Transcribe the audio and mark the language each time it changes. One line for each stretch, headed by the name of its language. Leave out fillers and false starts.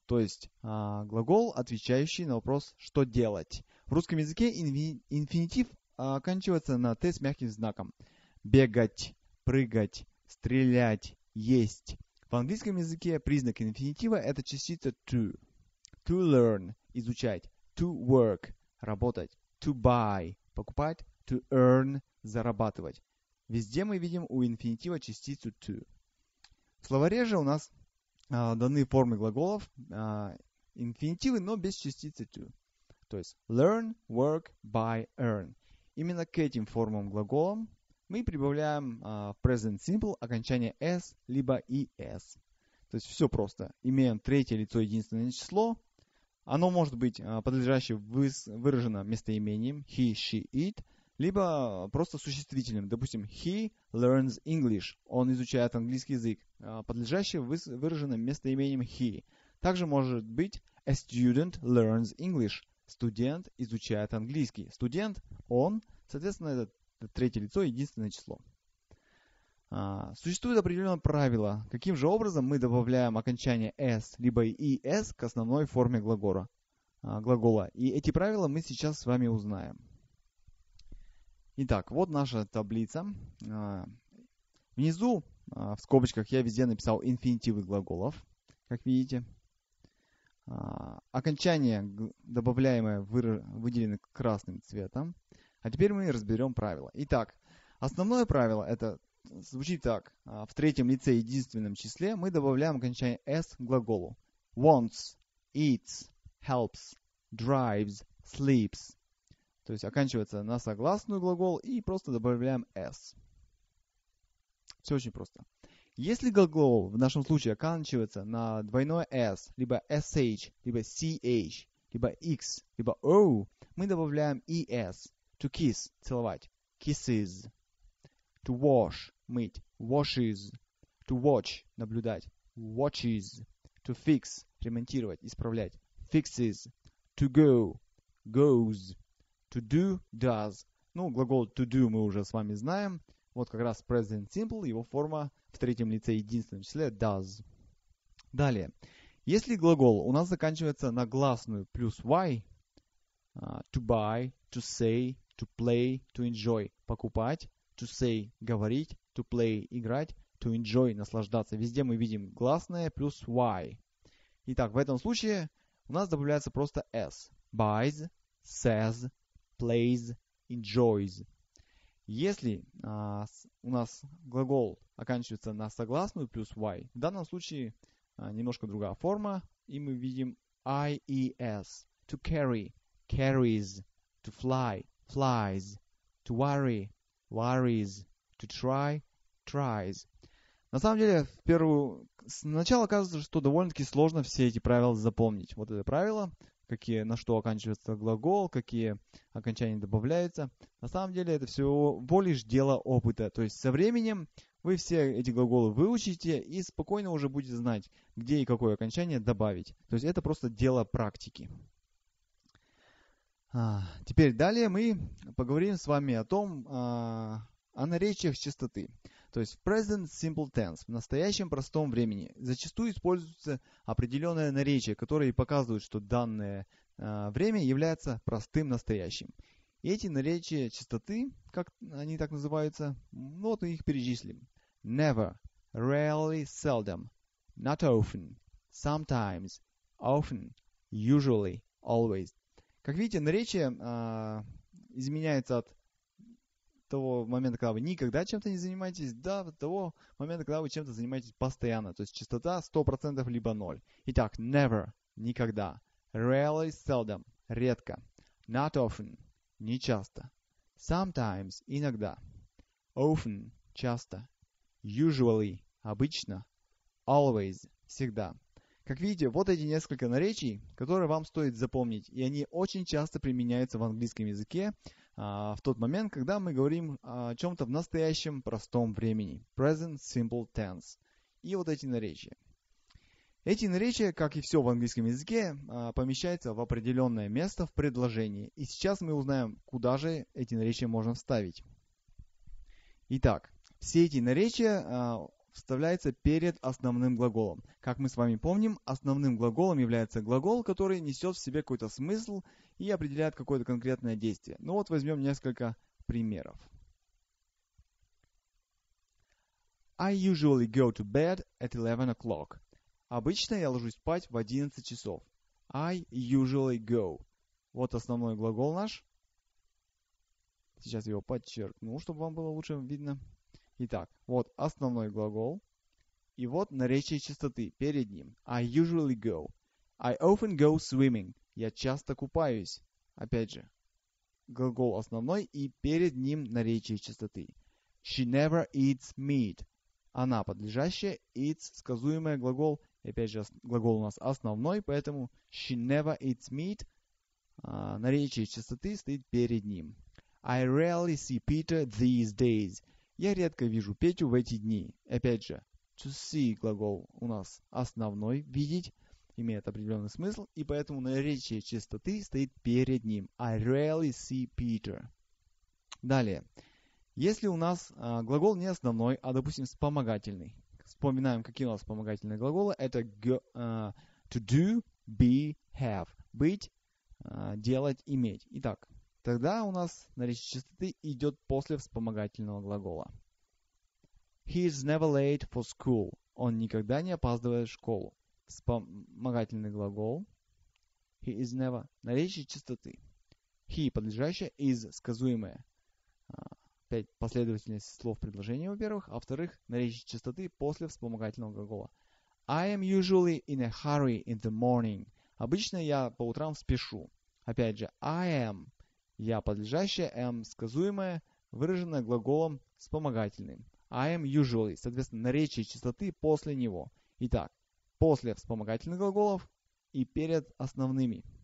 Russian: То есть, глагол, отвечающий на вопрос «что делать?». В русском языке инфинитив оканчивается на «т» с мягким знаком. «Бегать», «прыгать», «стрелять», «есть». В английском языке признак инфинитива – это частица «to».
English: To learn –
Russian: изучать.
English: To work –
Russian: работать.
English: To buy –
Russian: покупать.
English: To earn –
Russian: зарабатывать. Везде мы видим у инфинитива частицу to. В словаре же у нас даны формы глаголов инфинитивы, но без частицы to. То есть
English: learn, work, buy, earn.
Russian: Именно к этим формам глаголов мы прибавляем в present simple окончание s либо es. То есть все просто. Имеем третье лицо единственное число. Оно может быть подлежащее выражено местоимением he, she, it, либо просто существительным. Допустим,
English: he learns English.
Russian: Он изучает английский язык. Подлежащее выражено местоимением he. Также может быть
English: a student learns English.
Russian: Студент изучает английский. Студент, он, соответственно, это третье лицо, единственное число. Существует определенное правило, каким же образом мы добавляем окончание s либо es к основной форме глагола. И эти правила мы сейчас с вами узнаем. Итак, вот наша таблица. Внизу, в скобочках, я везде написал инфинитивы глаголов, как видите. Окончание, добавляемое, выделено красным цветом. А теперь мы разберем правила. Итак, основное правило это... Звучит так. В третьем лице единственном числе мы добавляем окончание s к глаголу.
English: Wants, eats, helps, drives, sleeps.
Russian: То есть оканчивается на согласную глагол и просто добавляем s. Все очень просто. Если глагол в нашем случае оканчивается на двойное s, либо sh, либо ch, либо x, либо o, мы добавляем es.
English: To kiss,
Russian: целовать,
English: kisses. To wash,
Russian: мыть,
English: washes. To watch,
Russian: наблюдать,
English: watches. To fix,
Russian: ремонтировать, исправлять,
English: fixes. To go, goes. To do, does.
Russian: Ну, глагол to do мы уже с вами знаем. Вот как раз present simple, его форма в третьем лице единственном числе does. Далее. Если глагол у нас заканчивается на гласную плюс y,
English: to buy, to say, to play, to enjoy,
Russian: покупать,
English: to say –
Russian: говорить,
English: to play –
Russian: играть,
English: to enjoy –
Russian: наслаждаться. Везде мы видим гласное плюс y. Итак, в этом случае у нас добавляется просто s.
English: Buys, says, plays, enjoys.
Russian: Если у нас глагол оканчивается на согласную плюс y, в данном случае немножко другая форма, и мы видим ies.
English: To carry – carries, to fly – flies, to worry – worries, to try, tries.
Russian: На самом деле, сначала кажется, что довольно-таки сложно все эти правила запомнить. Вот это правило, какие, на что оканчивается глагол, какие окончания добавляются. На самом деле, это всего лишь дело опыта. То есть, со временем вы все эти глаголы выучите и спокойно уже будете знать, где и какое окончание добавить. То есть, это просто дело практики. Теперь далее мы поговорим с вами о том, о наречиях частоты. То есть в present simple tense, в настоящем простом времени, зачастую используются определенные наречия, которые показывают, что данное время является простым настоящим. И эти наречия частоты, как они так называются, ну вот мы их перечислим.
English: Never, rarely, seldom, not often, sometimes, often, usually, always.
Russian: Как видите, наречие изменяется от того момента, когда вы никогда чем-то не занимаетесь, до того момента, когда вы чем-то занимаетесь постоянно. То есть частота 100% либо 0. Итак, never – никогда.
English: Rarely, seldom,
Russian: редко.
English: Not often,
Russian: не часто.
English: Sometimes,
Russian: иногда.
English: Often,
Russian: часто.
English: Usually,
Russian: обычно.
English: Always,
Russian: всегда. Как видите, вот эти несколько наречий, которые вам стоит запомнить, и они очень часто применяются в английском языке в тот момент, когда мы говорим о чем-то в настоящем простом времени.
English: Present Simple Tense.
Russian: И вот эти наречия. Эти наречия, как и все в английском языке, помещаются в определенное место в предложении. И сейчас мы узнаем, куда же эти наречия можно вставить. Итак, все эти наречия вставляются перед основным глаголом. Как мы с вами помним, основным глаголом является глагол, который несет в себе какой-то смысл и определяет какое-то конкретное действие. Ну вот возьмем несколько примеров.
English: I usually go to bed at 11 o'clock.
Russian: Обычно я ложусь спать в 11 часов.
English: I usually go.
Russian: Вот основной глагол наш. Сейчас его подчеркну, чтобы вам было лучше видно. Итак, вот основной глагол. И вот наречие частоты перед ним.
English: I usually go. I often go swimming.
Russian: Я часто купаюсь. Опять же, глагол основной и перед ним наречие частоты.
English: She never eats meat.
Russian: Она подлежащая, eats сказуемое глагол. И опять же, глагол у нас основной, поэтому
English: she never eats meat.
Russian: Наречие частоты стоит перед ним.
English: I rarely see Peter these days.
Russian: Я редко вижу Петю в эти дни. Опять же,
English: to see
Russian: глагол у нас основной, видеть, имеет определенный смысл, и поэтому наречие частоты стоит перед ним.
English: I rarely see Peter.
Russian: Далее. Если у нас глагол не основной, а, допустим, вспомогательный. Вспоминаем, какие у нас вспомогательные глаголы. Это to do, be, have. Быть, делать, иметь. Итак, тогда у нас наречие частоты идет после вспомогательного глагола.
English: He is never late for school.
Russian: Он никогда не опаздывает в школу. Вспомогательный глагол.
English: He is never.
Russian: Наречие частоты. He, подлежащее, is, сказуемое. Опять последовательность слов предложения, во-первых. А во-вторых, наречие частоты после вспомогательного глагола.
English: I am usually in a hurry in the morning.
Russian: Обычно я по утрам спешу. Опять же,
English: I am.
Russian: Я подлежащее, am сказуемое, выраженное глаголом вспомогательным.
English: I am usually.
Russian: Соответственно, наречие частоты после него. Итак, после вспомогательных глаголов и перед основными.